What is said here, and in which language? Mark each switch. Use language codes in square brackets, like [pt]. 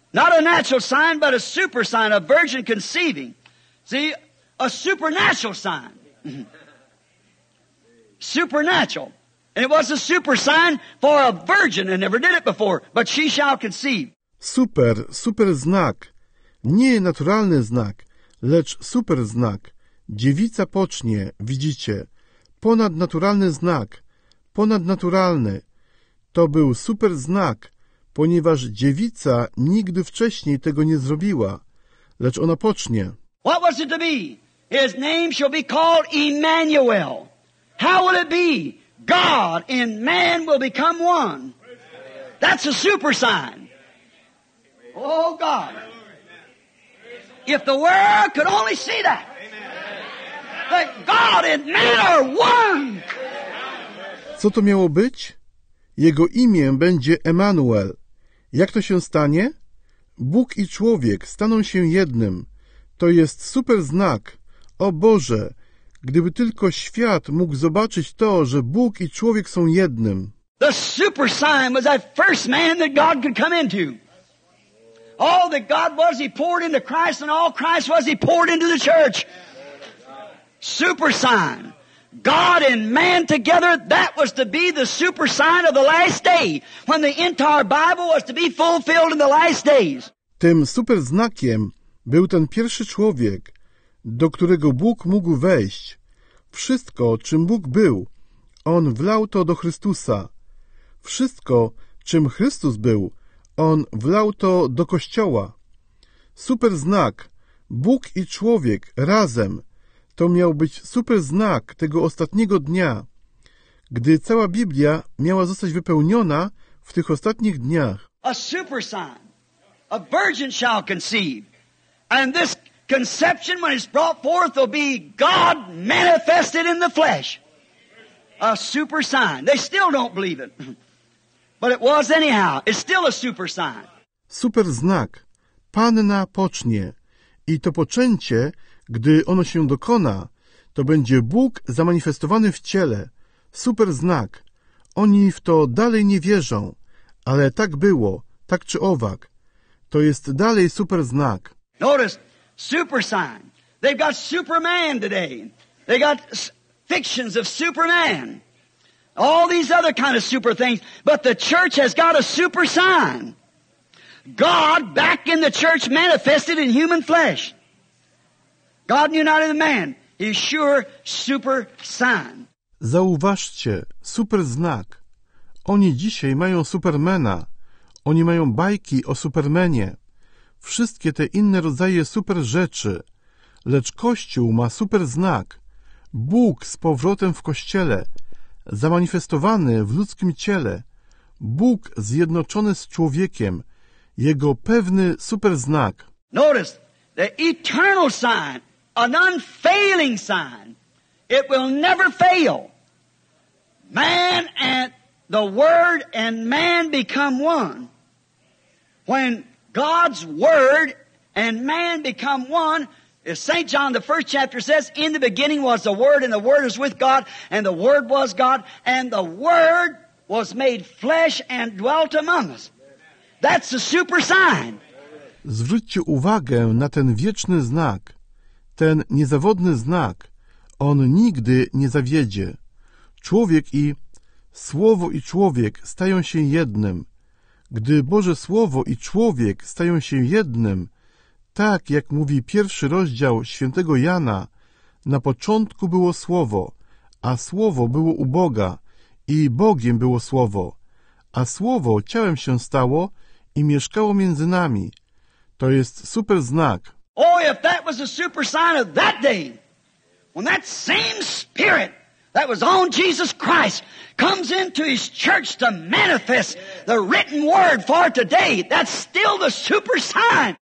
[en] Not a natural sign, but a super sign, a virgin conceiving. See, a supernatural sign. Supernatural. And it was a super sign for a virgin and never did it before, but she shall conceive. [pl] Super, super znak. Nie naturalny znak, lecz super znak. Dziewica pocznie, widzicie. Ponadnaturalny znak. Ponadnaturalny. To był super znak, ponieważ dziewica nigdy wcześniej tego nie zrobiła, lecz ona pocznie. [en] What was it to be? His name shall be called Emmanuel. How will it be? God and man will become one. That's a super sign. Oh God. If the world could only see that. That God and man are one. [pl] Co to miało być? Jego imię będzie Emmanuel. Jak to się stanie? Bóg i człowiek staną się jednym. To jest super znak. O Boże, gdyby tylko świat mógł zobaczyć to, że Bóg i człowiek są jednym. [en] The super sign was that first man that God could come into. All that God was, he poured into Christ, and all Christ was, he poured into the church. Super sign. God and man together, that was to be the super sign of the last day, when the entire Bible was to be fulfilled in the last days. [pl] Tym super znakiem był ten pierwszy człowiek, do którego Bóg mógł wejść. Wszystko, czym Bóg był, On wlał to do Chrystusa. Wszystko, czym Chrystus był, On wlał to do Kościoła. Super znak. Bóg i człowiek razem. To miał być super znak tego ostatniego dnia, gdy cała Biblia miała zostać wypełniona w tych ostatnich dniach. [en] A super sign. A virgin shall conceive. And this conception, when it's brought forth, will be God manifested in the flesh. A super sign. They still don't believe it. But it was anyhow. It's still a super sign. [pl] Super znak. Panna pocznie. I to poczęcie, gdy ono się dokona, to będzie Bóg zamanifestowany w ciele. Super znak. Oni w to dalej nie wierzą. Ale tak było, tak czy owak. To jest dalej super znak. [en] Notice, super sign. They've got Superman today. They got fictions of Superman. All these other kind of super things. But the church has got a super sign. God back in the church manifested in human flesh. God united the man. He's sure super sign. [pl] Zauważcie, super znak. Oni dzisiaj mają Supermana. Oni mają bajki o Supermanie. Wszystkie te inne rodzaje super rzeczy. Lecz Kościół ma super znak. Bóg z powrotem w Kościele. Zamanifestowany w ludzkim ciele. Bóg zjednoczony z człowiekiem. Jego pewny super znak. [en] Notice, the eternal sign, an unfailing sign. It will never fail. Man and the Word and man become one. When God's Word and man become one, as St. John, the first chapter says, in the beginning was the Word, and the Word was with God, and the Word was God, and the Word was made flesh and dwelt among us. That's a super sign. [pl] Zwróćcie uwagę na ten wieczny znak, ten niezawodny znak. On nigdy nie zawiedzie. Człowiek i Słowo i człowiek stają się jednym. Gdy Boże Słowo i człowiek stają się jednym, tak jak mówi pierwszy rozdział świętego Jana, na początku było Słowo, a Słowo było u Boga i Bogiem było Słowo, a Słowo ciałem się stało i mieszkało między nami. To jest super znak. [en] Oh, if that was a super sign of that day, when that same Spirit that was on Jesus Christ comes into his church to manifest the written word for today, that's still the super sign.